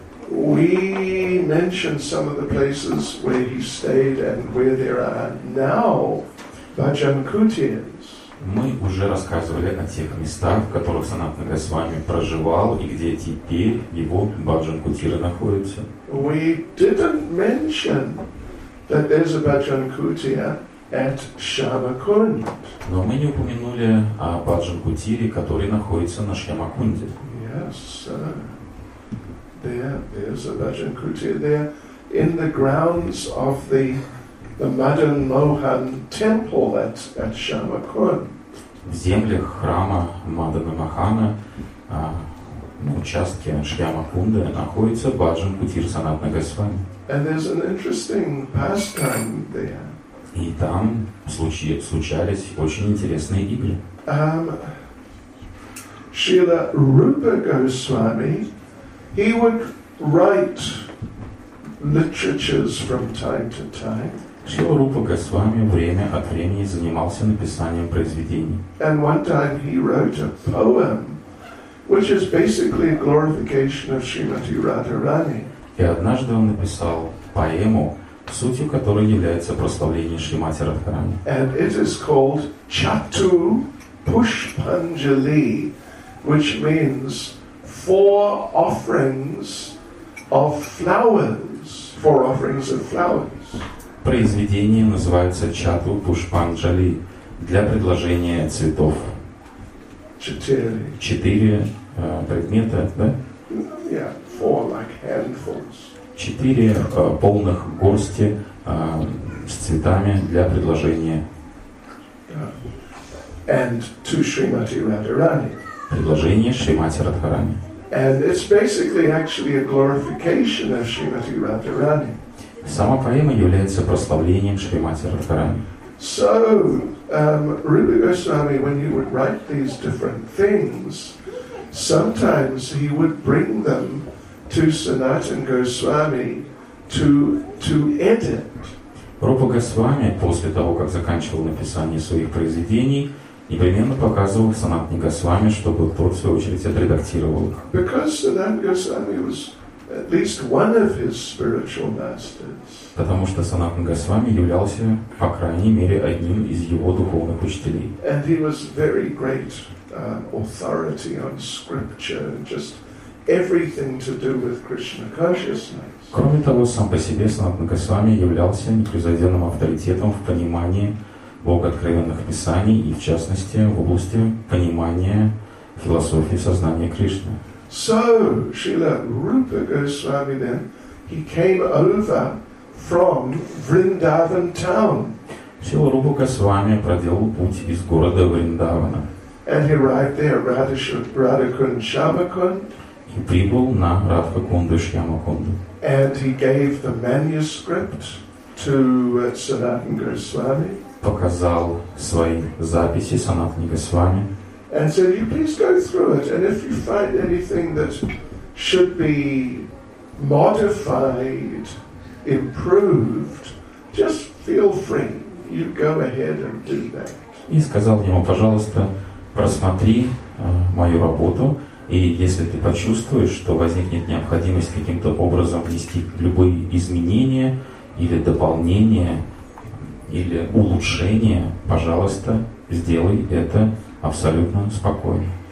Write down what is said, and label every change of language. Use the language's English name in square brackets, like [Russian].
[English] We mentioned some of the places where he stayed and where there are now bhajan kutirs. [Russian] Мы уже рассказывали о тех местах, в которых Санатана Госвами проживал и где теперь его бхаджан кутиры находятся. [English] We didn't mention that there's a bhajan kutir at Shyamakund. [Russian] Но мы не упомянули о Баджан Кутире, который находится на Шьямакунде. [English] Yes, there is a Баджан Кутир there in the grounds of the Madan Mohan temple at Shyamakund. [Russian] В землях храма Мадана Махана, на участке Шьямакунды находится Баджан Кутир Санатана Госвами. [English] And there's an interesting pastime there. [Russian] И там случались очень интересные игры. [English] Шрила Рупа Госвами, he would write literatures from time to time. [Russian] Шрила Рупа Госвами время от времени занимался написанием произведений. [English] And one time he wrote a poem, which is basically a glorification of Shrimati Radharani. [Russian] И однажды он написал поэму, сутью которой является прославление Шримати Радхарани. [English] And it is called Chatu Pushpanjali, which means four offerings of flowers. Four offerings of flowers. [Russian] Произведение называется Chatu Pushpanjali, для предложения цветов. Четыре предмета, да? [English] Yeah, four like handfuls. [Russian] Четыре полных горсти с цветами для предложения. [English] And to Shrimati Radharani. [Russian] Предложение Шримати Радхарани. [English] And it's basically actually a glorification of Shrimati Radharani. [Russian] Сама поэма является прославлением Шримати Радхарани. [English] So, Rupa Goswami, when he would write these different things, sometimes he would bring them to Sanatana Goswami to edit. [Russian] Рупа Госвами после того, как заканчивал написание своих произведений, непременно показывал Санатане Госвами, чтобы тот в свою очередь отредактировал их. [English] Because Sanatana Goswami was at least one of his spiritual masters. [Russian] Потому что Санатана Госвами являлся по крайней мере одним из его духовных учителей. [English] And he was very great authority on scripture, just everything to do with Krishna consciousness. [Russian] Кроме того, сам по себе Санатана Госвами являлся непревзойденным авторитетом в понимании богооткровенных писаний и, в частности, в области понимания философии сознания Кришны. [English] So, Srila Rupa Goswami then, He came over from Vrindavan town. [Russian] Шрила Рупа Госвами проделал путь из города Вриндавана. [English] And he arrived there, Радха-кунд-шьяма-кунд. [Russian] И прибыл на Радха-кунду-шьяма-кунду. [English] And he gave the manuscript to Sanatan Goswami. [Russian] Показал свои записи Санатан Госвами. [English] And said, "You please go through it, and if you find anything that should be modified, improved, just feel free. You go ahead and do that." [Russian] И сказал ему, пожалуйста, просмотри мою работу, и если ты почувствуешь, что возникнет необходимость каким-то образом внести любые изменения или дополнения или улучшения, пожалуйста, сделай это абсолютно спокойно.